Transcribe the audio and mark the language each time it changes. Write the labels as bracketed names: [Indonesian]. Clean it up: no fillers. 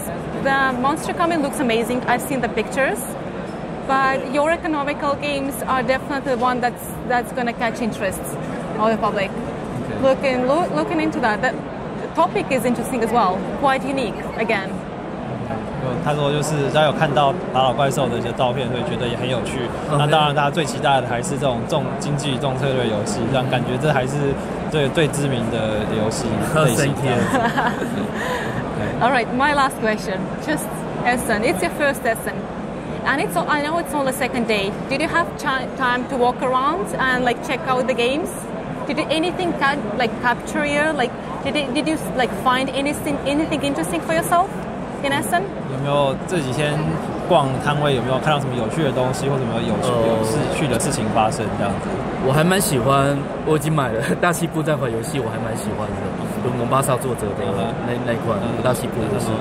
[English] The Monster Coming looks amazing. I've seen the pictures. But your economical games are definitely the one that's going to catch interest of the public. Okay. Looking into that. That topic is interesting as well. Quite unique again. [Chinese] 他说就是大家有看到打倒怪兽的一些照片，所以觉得也很有趣。 [English] Okay. [Chinese] 那当然，大家最期待的还是这种重经济、重策略游戏，这样感觉这还是最知名的游戏类型。 [English] Thank you. All right, my last question. Just Essen, it's your first Essen, and I know it's only second day. Did you have time to walk around and like check out the games? Did anything capture you? Like, did you like find anything interesting for yourself? In Essen? [Chinese] 有没有这几天逛摊位，有没有看到什么有趣的东西，或什么有趣的事情发生这样子？我还蛮喜欢，我已经买了大西部那款游戏，我还蛮喜欢的，就蒙巴萨作者的那一款大西部游戏。